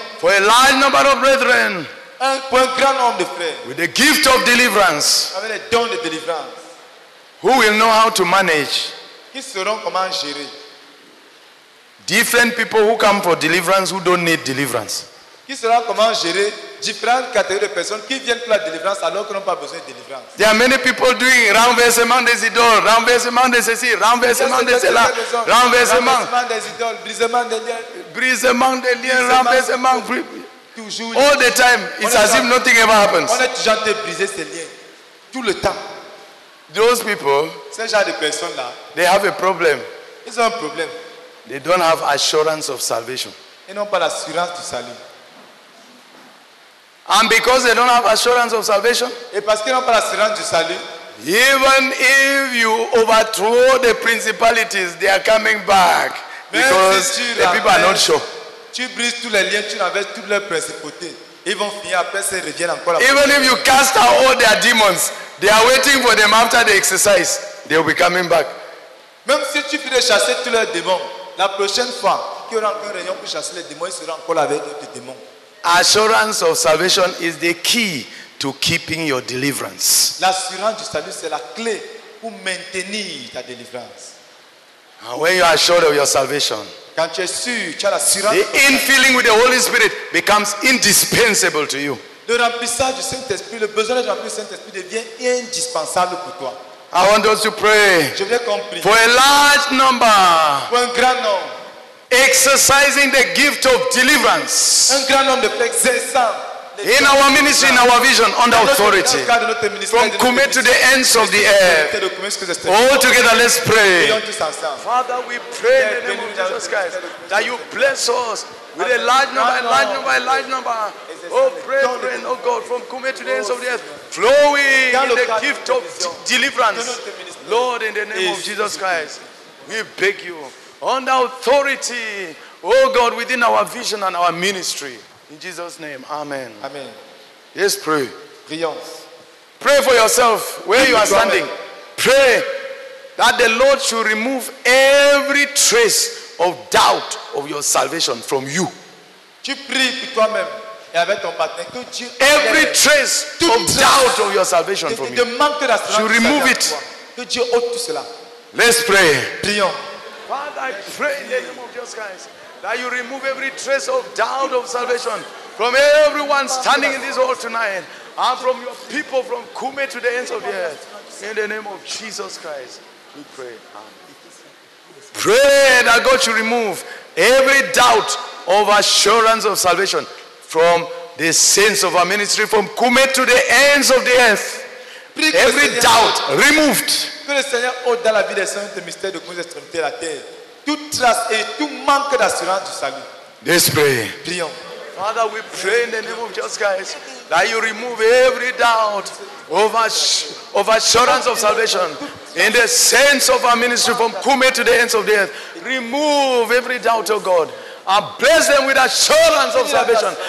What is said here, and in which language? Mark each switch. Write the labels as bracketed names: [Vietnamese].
[English] For a large number of brethren. [French] Un grand nombre de frères, [English] with the gift of deliverance, [French] avec les dons de délivrance, [English] who will know how to manage, [French] qui sauront comment gérer, [English] different people who come for deliverance who don't need deliverance, [French] qui sauront comment gérer différentes catégories de personnes qui viennent pour la délivrance alors qu'ils n'ont pas besoin de délivrance. [English] There are many people doing [French] renversement des idoles, renversement de ceci, renversement de cela, renversement des idoles, brisement des liens, brisement des liens, renversement. [English] All the time, it's as if nothing ever happens. [French] On a toujours été brisé ces liens, tout le temps. [English] Those people, [French] ces genre de personnes là, [English] they have a problem. [French] Ils ont un problème. [English] They don't have assurance of salvation. [French] Ils n'ont pas l'assurance du salut. [English] And because they don't have assurance of salvation, [French] et parce qu'ils n'ont pas l'assurance du salut, [English] even if you overthrow the principalities, they are coming back because the people are not sure. [French] Tu brises tous les liens, tu renverses toutes leurs principautés. Ils vont finir après, ils reviennent encore. [English] Even if you cast out all their demons, they are waiting for them after the exercise. They will be coming back. [French] Même si tu finis chasser tous leurs démons, la prochaine fois, qu'il y aura encore un réunion pour chasser les démons, ils seront encore avec d'autres démons. [English] Assurance of salvation is the key to keeping your deliverance. [French] L'assurance du salut, c'est la clé pour maintenir ta délivrance. [English] And when you are assured of your salvation, [French] quand tu es sûr, tu as l'assurance. [English] The infilling with the Holy Spirit becomes indispensable to you. [French] Le remplissage du Saint-Esprit, le besoin de remplir le Saint-Esprit devient indispensable pour toi. [English] I want us to pray. [French] Je voulais qu'on prie. [English] For a large number. [French] Pour un grand nombre. [English] Exercising the gift of deliverance. [French] Un grand nombre de personnes exerçant [English] in our ministry, in our vision, under authority, from Kumé to the ends of the earth. All together, let's pray. Father, we pray in the name of Jesus Christ that you bless us with a large number, a large number, a large number. Oh, brethren, oh God, from Kumé to the ends of the earth, flowing in the gift of deliverance. Lord, in the name of Jesus Christ, we beg you, under authority, oh God, within our vision and our ministry. In Jesus' name, amen. Amen. Yes, pray. [French] Prions. [English] Pray for yourself where you are standing. Pray that the Lord should remove every trace of doubt of your salvation from you. [French] Tu pries pour toi-même et avec ton partenaire que Dieu. [English] Every trace of doubt of your salvation from you. Should remove it. [French] Que Dieu ôte tout cela. [English] Let's pray. [French] Prions. [English] Father, I pray in the name of Jesus Christ that you remove every trace of doubt of salvation from everyone standing in this hall tonight and from your people from Kumé to the ends of the earth. In the name of Jesus Christ, we pray. Amen. Pray that God should remove every doubt of assurance of salvation from the saints of our ministry, from Kumé to the ends of the earth. Every doubt removed. [French] Que le Seigneur ôte dans la vie des saints le mystère de comment extrémité la terre. Toute trace et tout manque d'assurance du salut. [English] Let's pray. [French] Prions. [English] Father, we pray in the name of Jesus Christ that you remove every doubt of assurance of salvation in the sense of our ministry from Kumé to the ends of the earth. Remove every doubt, oh God, and bless them with assurance of salvation.